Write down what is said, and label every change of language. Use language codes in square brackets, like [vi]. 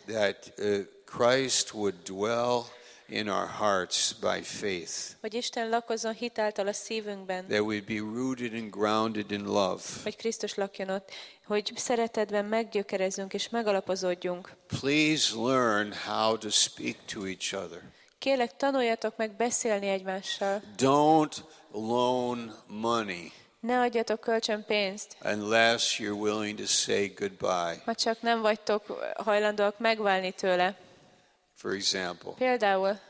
[en] That Christ would dwell in our hearts by faith. [hu] Hogy Isten lakozzon hitáltal a szívünkben. [en] That we'd be rooted and grounded in love. [hu] Hogy Krisztus lakjon ott, hogy szeretetben meggyökerezzünk és megalapozódjunk. [en] Please learn how to speak to each other. [hu] Kérlek, tanuljatok meg beszélni egymással. [en] Don't loan money. [hu] Ne adjatok kölcsön pénzt. [en] Unless you're willing to say goodbye. [hu] Ha csak nem vagytok hajlandóak megválni tőle. [en] For example, [hu] például,